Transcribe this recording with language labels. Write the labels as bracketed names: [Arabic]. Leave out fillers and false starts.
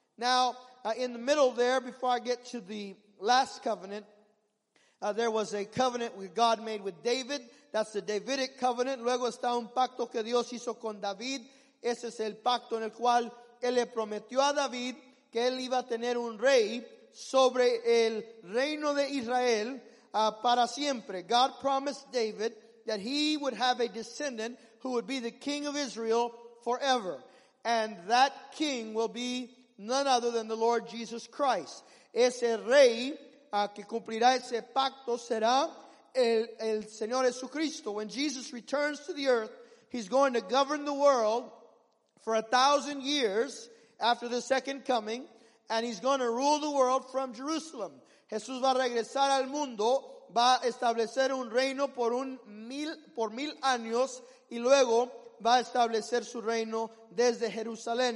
[English] Now, in the middle there, before I get to the last covenant, there was a covenant with God made with David. That's the Davidic covenant. [Spanish] Luego está un pacto que Dios hizo con David. Ese es el pacto en el cual él le prometió a David que él iba a tener un rey sobre el reino de Israel para siempre. [English] God promised David that he would have a descendant who would be the king of Israel forever. And that king will be none other than the Lord Jesus Christ. [Spanish] Ese rey que cumplirá ese pacto será el Señor Jesucristo. [English] When Jesus returns to the earth, he's going to govern the world for 1,000 years after the second coming. And he's going to rule the world from Jerusalem. [Spanish] Jesús va a regresar al mundo, va a establecer un reino por mil años, y luego va a establecer su reino desde Jerusalén.